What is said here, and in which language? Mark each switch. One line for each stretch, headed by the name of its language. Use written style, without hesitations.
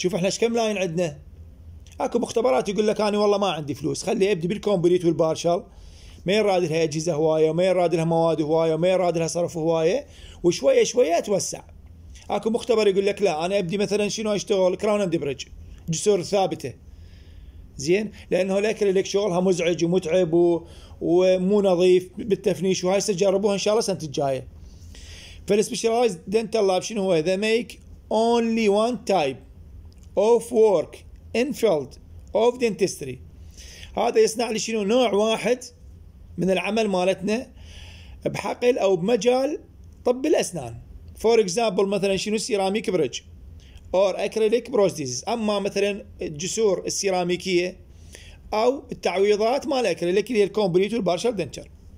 Arabic: شوف احنا ايش كم لاين عندنا، اكو مختبرات يقول لك انا والله ما عندي فلوس خلي ابدي بالكومبليت والبارشل، ما يراد لها اجهزه هوايه، وما يراد لها مواد هوايه، وما يراد لها صرف هوايه، وشويه شويه اتوسع. اكو مختبر يقول لك لا انا ابدي مثلا شنو اشتغل، كراون اند بريدج جسور ثابته زين، لانه الاكريليك شغلها مزعج ومتعب ومو نظيف بالتفنيش، وهاي سجربوها ان شاء الله السنه الجايه.
English: فالسبيشاليز dental lab
Arabic: شنو هو؟
English: they make only one type of work in field of dentistry.
Arabic: هذا يصنع لي شنو؟ نوع واحد من العمل مالتنا بحقل او بمجال طب الاسنان.
English: for example
Arabic: مثلا شنو؟
English: Ceramic bridge or acrylic prostheses.
Arabic: اما مثلا الجسور السيراميكيه او التعويضات مال الاكريليك اللي هي الكومبليت والبارشال دنتر.